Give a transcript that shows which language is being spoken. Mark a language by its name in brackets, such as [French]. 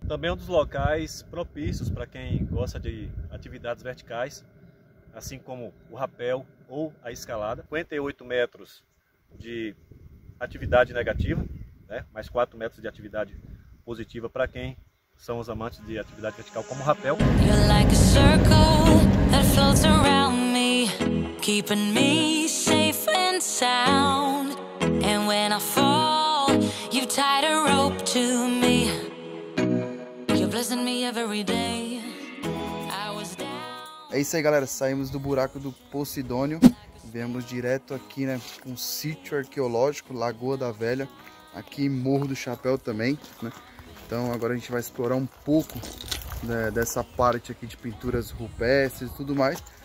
[Portuguese] Também é um dos locais propícios para quem gosta de atividades verticais, assim como o rapel ou a escalada. 58 metros de atividade negativa, né? Mais 4 metros de atividade positiva para quem são os amantes de atividade vertical como o rapel. [English] You're like a circle that floats around me, keeping me safe and sound. And when I fall, tied a rope to me. You're blessing me every day. I was down. [Portuguese] É isso aí, galera. Saímos do Buraco do Posidônio. Viemos direto aqui, né? Um sítio arqueológico, Lagoa da Velha. Aqui em Morro do Chapéu também, né? Então agora a gente vai explorar um pouco, né, dessa parte aqui de pinturas rupestres e tudo mais.